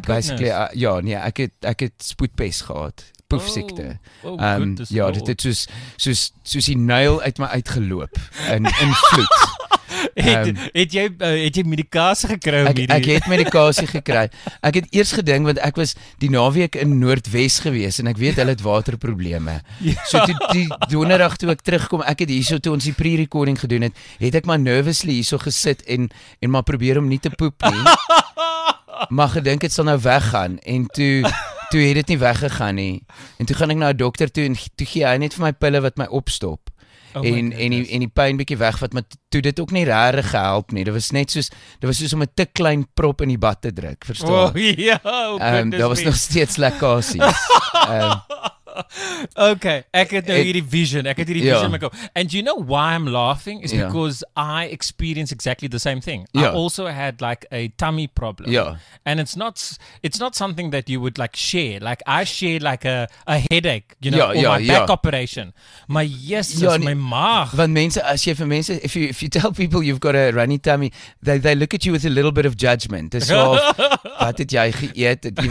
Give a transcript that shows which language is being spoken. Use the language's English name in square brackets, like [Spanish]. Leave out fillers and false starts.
[Afrikaans] basically, ek het spoedpes gehad. Poefsiekte. [English] Oh, goodness, [Afrikaans] ja, dit het soos die nail uit my uitgeloop in vloed. Het jy medikasie gekry om hierdie? Ek het medikasie gekry. Ek het eers gedink, want ek was die naweek in Noordwes gewees en ek weet hulle het waterprobleme. So toe die donderdag toe ek terugkom, ek het hierso toe ons die pre-recording gedoen het, het ek maar nervously hierso gesit en maar probeer om nie te poep nie. Maar gedink het sal nou weggaan en toe het dit nie weggegaan nie. En toe gaan ek na 'n dokter toe en toe gee hy net vir my pille wat my opstop. En die pyn bietjie weg wat maar toe dit ook nie regtig gehelp nie. Dit was soos om 'n te klein prop in die bad te druk, verstaan? Oh, ja, daar was nog steeds lekkasies. Okay, ek het nou hierdie vision, ek het hierdie vision in my kop. [English] And you know why I'm laughing? It's because I experienced exactly the same thing. I also had like a tummy problem. And it's not something that you would like share. Like I share like a headache, you know, or my back operation. [Afrikaans] My my maag. Want mense, as jy vir mense, [English] if you tell people you've got a runny tummy, they look at you with a little bit of judgment. It's like, [Afrikaans] wat het jy geëet?